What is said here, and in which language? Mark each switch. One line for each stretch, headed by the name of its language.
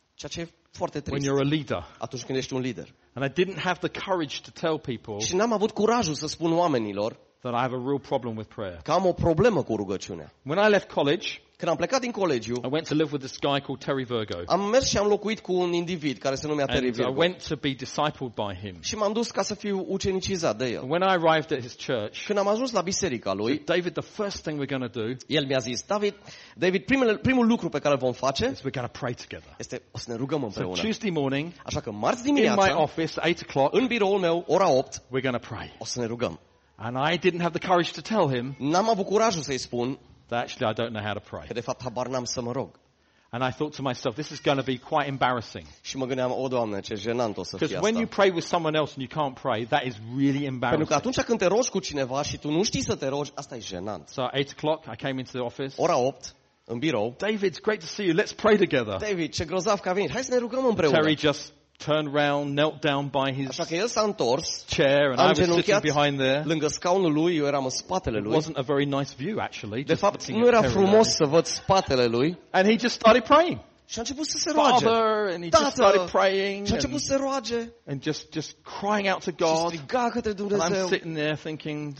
Romanian: Ceea ce e foarte trist.
English: When you're a leader.
Romanian: Atunci când ești un lider.
English: And I didn't have the courage to tell people.
Romanian: Și n-am avut curajul să spun oamenilor.
English: That I have a real problem with prayer.
Romanian: Că am o problemă cu rugăciunea.
English: When I left college.
Romanian: Când am plecat din colegiu.
English: I went to live with this guy called Terry Virgo.
Romanian: Am mers și am locuit cu un individ care se numea Terry Virgo.
English: And I went to be discipled by him.
Romanian: Și m-am dus ca să fiu ucenicizat de el.
English: When I arrived at his church.
Romanian: Când am ajuns la biserica lui.
English: David, the first thing we're going to do.
Romanian: El mi-a zis, David, primul lucru pe care îl vom face.
English: Is we're going to pray together.
Romanian: Este o să ne rugăm împreună.
English: So Tuesday morning.
Romanian: Așa că marți dimineața.
English: In my office, 8:00.
Romanian: În biroul meu, ora 8.
English: We're going to pray.
Romanian: O să ne rugăm.
English: And I didn't have the courage to tell him.
Romanian: N-am avut curajul să-i spun.
English: Actually, I don't know how to pray.
Romanian: De fapt, habar n-am să mă rog.
English: And I thought to myself, this is going to be quite embarrassing.
Romanian: Și mă gândeam, o, Doamne, ce jenant o să fie asta.
English: Because when you pray with someone else and you can't pray, that is really embarrassing.
Romanian: Pentru că atunci când te rogi cu cineva și tu nu știi să te rogi, asta e jenant.
English: So at 8:00, I came into the office.
Romanian: Ora 8, în birou.
English: David, great to see you. Let's pray together.
Romanian: David, ce grozav că a venit. Hai să ne rugăm împreună.
English: Terry just turned round, knelt down by his chair, and I was sitting behind there.
Romanian: Lângă scaunul lui, eu eram în spatele lui.
English: It wasn't a very nice view, actually.
Romanian: De fapt, nu era frumos să văd spatele lui.
English: And he just started praying.
Romanian: Și a început să se roage.
English: Father, and he just started praying.
Romanian: Și a început să se roage.
English: And just crying out to God.
Romanian: Și striga către Dumnezeu.
English: And I'm sitting there thinking,